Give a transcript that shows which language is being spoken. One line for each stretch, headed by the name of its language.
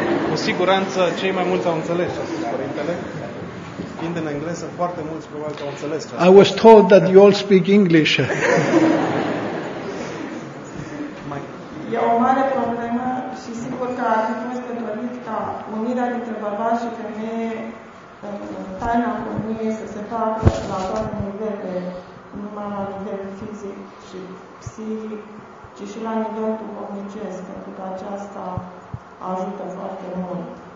Romanian: Cu siguranță cei mai mulți au înțeles, părintele. Fiind în engleză, foarte mulți probabil că au înțeles.
English: I was told that you all speak English.
Romanian: E o mare problemă și sigur că ar fi fost dorit ca unirea dintre bărbați și femeie, taina comuniei să se facă la toate nivele, numai la nivel fizic și psihic, ci și la nivel duhovnicesc, pentru că aceasta ajută foarte mult.